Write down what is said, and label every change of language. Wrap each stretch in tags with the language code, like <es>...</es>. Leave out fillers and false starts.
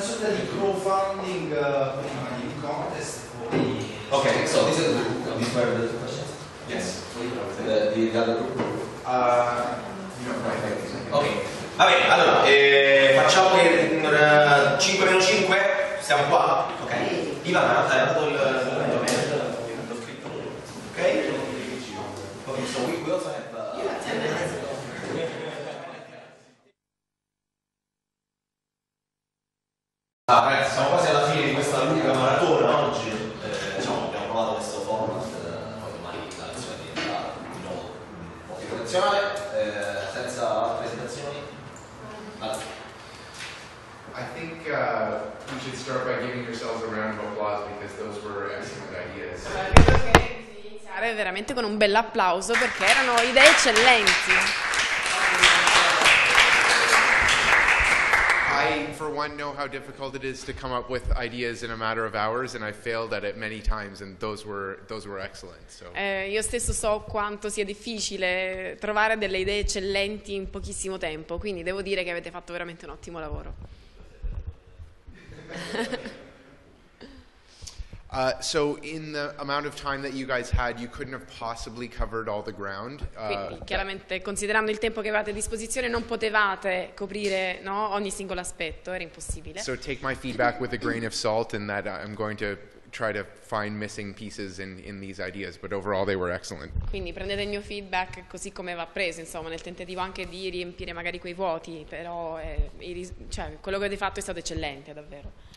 <it>sorta di crowdfunding prima di un contest poi</it> <en>ok so this is the group this part of the question yes the other group ok</en> <it>va bene allora facciamo che 5 meno 5 siamo qua ok Ivana ha dato il momento ragazzi, siamo quasi alla fine di questa lunga maratona oggi. Diciamo, abbiamo provato questo format, poi domani la lezione diventa di nuovo un po' più tradizionale, senza presentazioni.</it> <en>I think we should start by giving yourselves a round of applause because those were excellent ideas.</en> <it>Veramente con un bel applauso perché erano idee eccellenti.</it> <en>I for one know how difficult it is to come up with ideas in a matter of hours and I failed at it many times and those were excellent. So.</en> <it>Io stesso so quanto sia difficile trovare delle idee eccellenti in pochissimo tempo, quindi devo dire che avete fatto veramente un ottimo lavoro.</it> <en>So in the amount of time that you guys had, you couldn't have possibly covered all the ground.</en> <it>Quindi, chiaramente, considerando il tempo che avevate a disposizione, non potevate coprire, no, ogni singolo aspetto, era impossibile.</it> <en>So take my feedback with a grain of salt in that I'm going to try to find missing pieces in these ideas, but overall they were excellent.</en> <it>Quindi prendete il mio feedback così come va preso, insomma, nel tentativo anche di riempire magari quei vuoti, però cioè, quello che avete fatto è stato eccellente, davvero.</it>